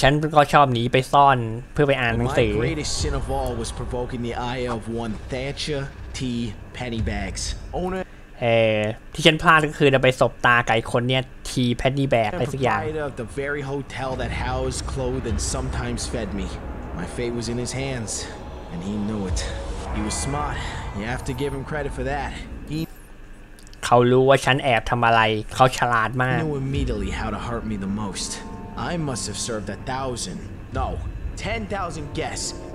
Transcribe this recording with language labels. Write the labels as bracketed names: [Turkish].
[Thai] ฉันก็ชอบหนีไปซ่อนเพื่อไปอ่านหนังสือ [English] My greatest sin of all was provoking the ire of one Thatcher T. Pennybags owner [Thai] ที่ฉันพลาดก็คือไปสบตาไก่คนเนี้ย T. Pennybag อะไรสักอย่าง [English] Provider of the very hotel that housed, clothed, and sometimes fed me. My fate was in his hands, and he knew it. He was smart. You have to give him credit for that. [Thai] He เขารู้ว่าฉันแอบทำอะไรเขาฉลาดมาก [English] He knew immediately how to hurt me the most. I must have served 1,000, no, 10,000 guests.